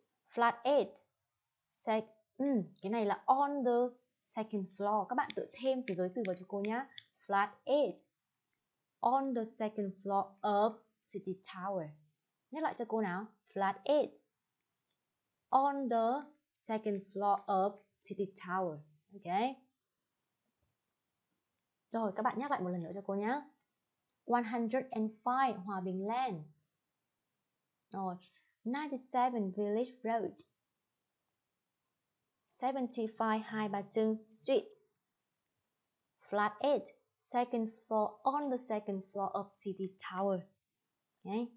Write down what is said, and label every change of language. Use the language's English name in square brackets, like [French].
[English] Flat 8 [Vietnamese] cái này là [English] on the second floor. [Vietnamese] Các bạn tự thêm cái giới từ vào cho cô nhá. [English] Flat 8 on the second floor of City Tower. [Vietnamese] Nhắc lại cho cô nào. [English] Flat 8 on the second floor of City Tower. Ok. [Vietnamese] Rồi, các bạn nhắc lại một lần nữa cho cô nhé. [English] 105 Hòa Bình Lan. Rồi, 97 Village Road, 75 Hai Bà Trưng Street, Flat 8 second floor on the second floor of City Tower. Ok.